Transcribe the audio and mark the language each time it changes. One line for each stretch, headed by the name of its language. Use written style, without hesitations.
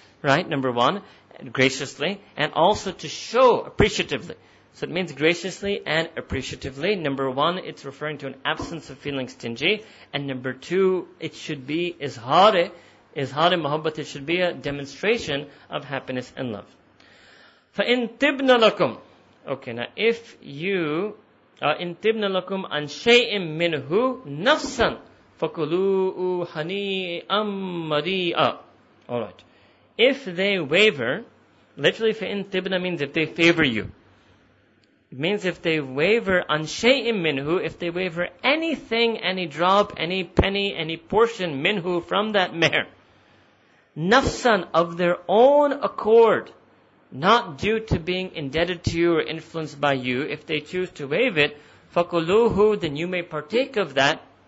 English: Right, number one, graciously, and also to show appreciatively. So it means graciously and appreciatively. Number one, it's referring to an absence of feeling stingy. And number two, it should be izhari muhabbat, it should be a demonstration of happiness and love.
Arabic: فَإِن تِبْنَ لَكُمْ.
English: Okay, now if you,
Arabic: إِن تِبْنَ لَكُمْ أَنْ شَيْءٍ مِّنْهُ نَفْسًا فَكُلُوا حَنِيئًا مَّرِيئًا.
English: Alright. If they waver, literally
Arabic: فَإِن تِبْنَ
English: means if they favor you. It means if they waver
Arabic: عَنْ شَيْءٍ مِّنْهُ,
English: if they waver anything, any drop, any penny, any portion, مِّنْهُ, from that mare. نَفْسًا, of their own accord, not due to being indebted to you or influenced by you, if they choose to waive it,
Arabic: فَقُلُوهُ,
English: then you may partake of that,